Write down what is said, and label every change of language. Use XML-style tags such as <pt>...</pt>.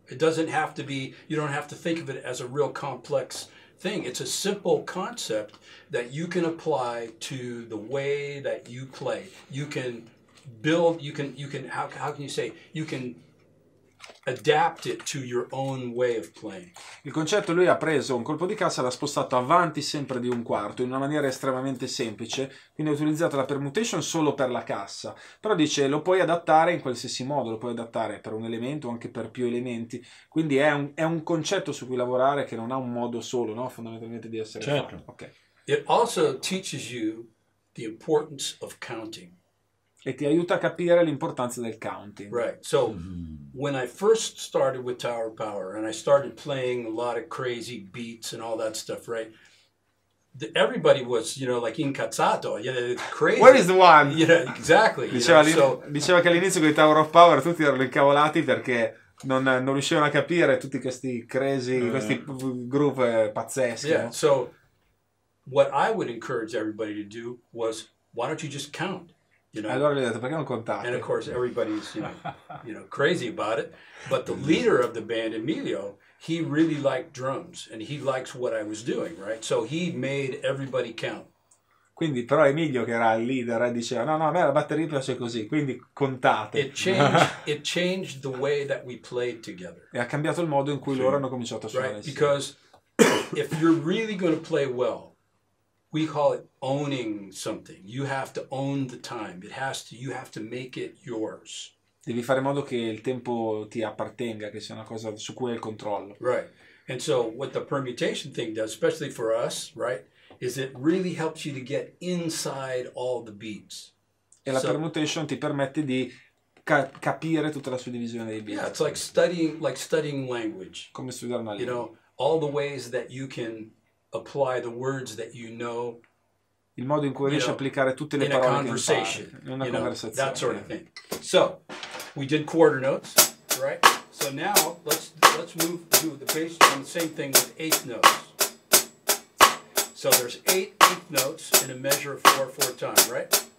<en>It doesn't have to be, you don't have to think of it as a real complex thing. It's a simple concept that you can apply to the way that you play. You can build, you can adapt it to your own way of playing.</en> <it>Il concetto, lui ha preso un colpo di cassa e l'ha spostato avanti sempre di un quarto in una maniera estremamente semplice, quindi ha utilizzato la permutation solo per la cassa, però dice lo puoi adattare in qualsiasi modo, lo puoi adattare per un elemento o anche per più elementi, quindi è un concetto su cui lavorare che non ha un modo solo, no, fondamentalmente di essere, certo, fatto. Okay.</it> <en>It also teaches you the importance of counting.</en> <it>E ti aiuta a capire l'importanza del counting.</it> <en>Right. So when I first started with Tower Power and I started playing a lot of crazy beats and all that stuff, right? Everybody was, you know, like incazzato. Yeah, crazy. Where is the one? Yeah, exactly.</en> <it>Diceva che all'inizio con i Tower of Power tutti erano incavolati perché non riuscivano a capire tutti questi crazy, questi groove pazzeschi.</it> <en>Yeah. No? So what I would encourage everybody to do was, why don't you just count? You know?</en> <it>Allora gli ho detto, perché non contate?</it> <en>And of course everybody's, you know, you know, crazy about it. But the leader of the band, Emilio, he really liked drums and he likes what I was doing, right? So he made everybody count.</en> <it>Quindi però Emilio, che era il leader, diceva no, a me la batteria piace così, quindi contate.</it> <en>It changed the way that we played together.</en> <it>E ha cambiato il modo in cui loro hanno cominciato a suonare.</it> <en>Right? Because if you're really going to play well, we call it owning something. You have to own the time. You have to make it yours.</en> <it>Devi fare in modo che il tempo ti appartenga, che sia una cosa su cui hai il controllo.</it> <en>Right. And so what the permutation thing does, especially for us, right, is it really helps you to get inside all the beats.</en> <it>E la permutation ti permette di capire tutta la suddivisione dei bit.</it> <en>Yeah, it's like studying language.</en> <it>Come studiare una lingua.</it> <en>You know, all the ways that you can apply the words that you know.</en> <it>Il modo in cui riesci a applicare tutte le parole che impari. In una conversazione.</it> <en>That sort of thing. So, we did quarter notes, right? So now, let's move to the bass on the same thing with eighth notes. So there's eighth notes in a measure of 4/4 time, right?</en>